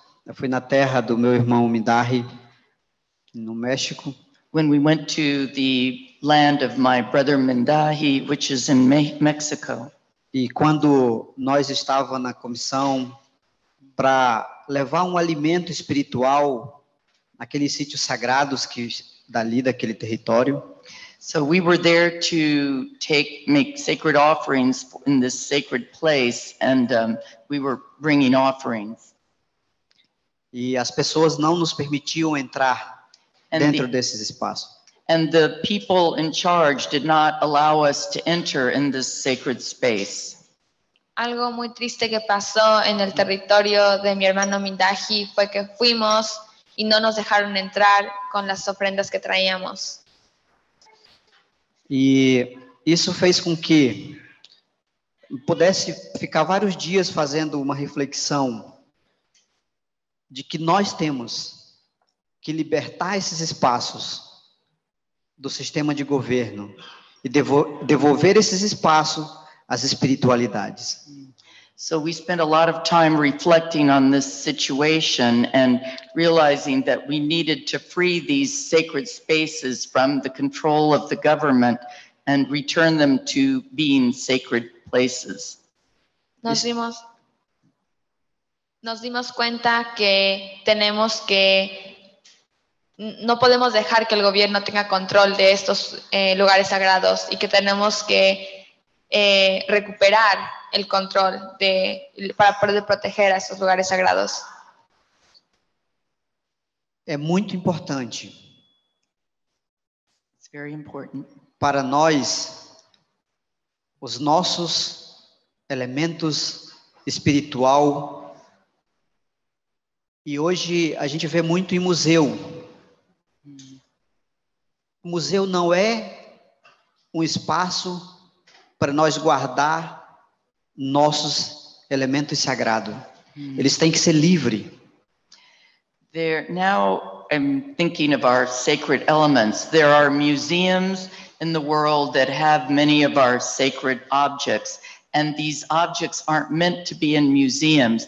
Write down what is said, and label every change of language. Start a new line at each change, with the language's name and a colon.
Portuguese: Eu fui na terra do meu irmão Mindahi, no México.
English: When we went to the land of my brother Mindahi, which is in Mexico.
Portuguese: E quando nós estávamos na comissão para levar alimento espiritual naqueles sítios sagrados que dali daquele território.
English: So we were there to make sacred offerings in this sacred place, and we were bringing offerings.
Portuguese: E as pessoas não nos permitiam entrar dentro desse espaço.
English: And the people in charge did not allow us to enter in this sacred space.
Spanish: Algo muy triste que pasó en el territorio de mi hermano Mindaji fue que fuimos y no nos dejaron entrar con las ofrendas que traíamos. Y eso
Portuguese: fez con que pudesse ficar vários dias fazendo uma reflexão de que nós temos que libertar esses espaços do sistema de governo e devolver esses espaços às espiritualidades.
English: So we spent a lot of time reflecting on this situation and realizing that we needed to free these sacred spaces from the control of the government and return them to being sacred places.
Spanish: Nos dimos cuenta que tenemos que no podemos dejar que el gobierno tenga control de estos lugares sagrados y que tenemos que recuperar el control de para poder proteger a esos lugares sagrados. Es muy importante.
English: It's very important.
Portuguese: Para nós, os nossos elementos espiritual. E hoje a gente vê muito em museu. O museu não é um espaço para nós guardar nossos elementos sagrados. Eles têm que ser livres.
English: There, now I'm thinking of our sacred elements. There are museums in the world that have many of our sacred objects. And these objects aren't meant to be in museums.